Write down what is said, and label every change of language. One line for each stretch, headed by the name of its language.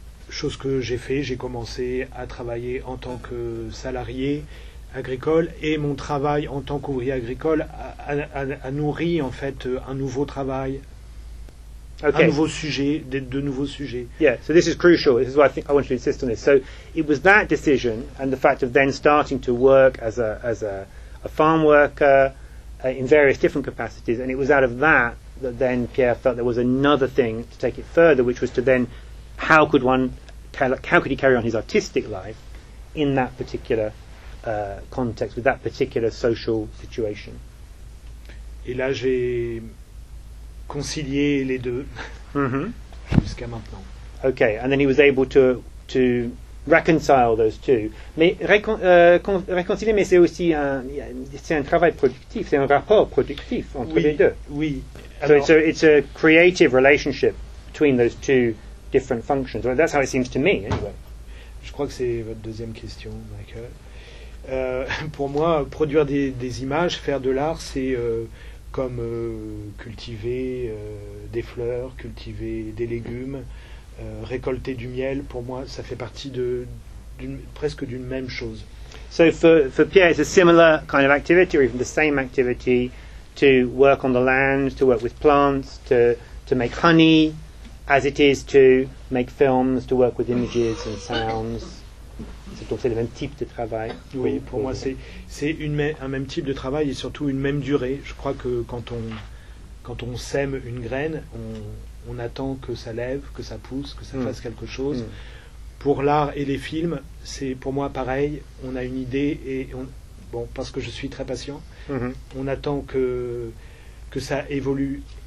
French: Chose que j'ai fait, j'ai commencé à travailler en tant que salarié agricole, et mon travail en tant qu'ouvrier agricole a nourri en fait un nouveau travail.
English: Okay.
French: Un nouveau sujet, de nouveaux sujets.
English: Yeah, so this is crucial. This is why I think I want to insist on this. So it was that decision and the fact of then starting to work as a farm worker in various different capacities, and it was out of that that then Pierre felt there was another thing to take it further, which was to then how could he carry on his artistic life in that particular context, with that particular social situation.
French: Et là j'ai concilier les deux jusqu'à maintenant.
English: Okay, and then he was able to reconcile those two.
French: Mais réconcilier, mais c'est aussi un travail productif, c'est un rapport productif entre oui, les deux. Oui. Alors,
English: so it's a creative relationship between those two different functions. Well, that's how it seems to me, anyway.
French: Je crois que c'est votre deuxième question, Michael. Pour moi, produire des images, faire de l'art, c'est comme cultiver des fleurs, cultiver des légumes, récolter du miel, pour moi, ça fait partie presque d'une même chose. So for Pierre, it's a similar kind of activity, or even the same activity, to work on the land, to work with plants, to make honey, as it is to make films, to work with images and sounds. C'est le même type de travail. Oui, pour moi, c'est un même type de travail et surtout une même durée. Je crois que quand on sème une graine, on attend que ça lève, que ça pousse, que ça fasse quelque chose. Pour l'art et les films, c'est pour moi pareil. On a une idée et bon, parce que je suis très patient, on attend que ça évolue.